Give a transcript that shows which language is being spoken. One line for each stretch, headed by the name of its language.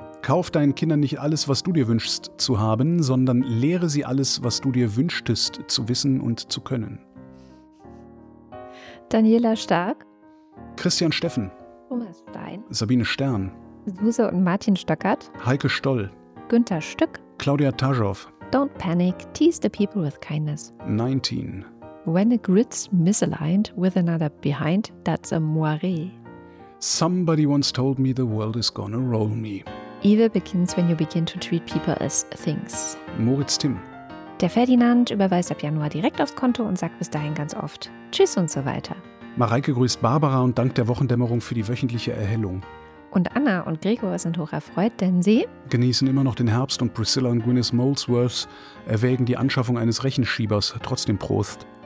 German: Kauf deinen Kindern nicht alles, was du dir wünschst zu haben, sondern lehre sie alles, was du dir wünschtest zu wissen und zu können. Daniela Stark. Christian Steffen. Thomas Stein. Sabine Stern. Suse und Martin Stöckert. Heike Stoll. Günther Stück. Claudia Tajov.
English: Don't panic, tease the people with kindness. 19. When a grid's misaligned with another behind, that's a moiré. Somebody once told me the world is gonna roll me. Evil begins when you begin to treat people as things.
German: Moritz Timm. Der Ferdinand überweist ab Januar direkt aufs Konto und sagt bis dahin ganz oft Tschüss und so weiter. Mareike grüßt Barbara und dankt der Wochendämmerung für die wöchentliche Erhellung. Und Anna und Gregor sind hoch erfreut, denn sie genießen immer noch den Herbst und Priscilla und Gwyneth Molesworth erwägen die Anschaffung eines Rechenschiebers, trotzdem Prost.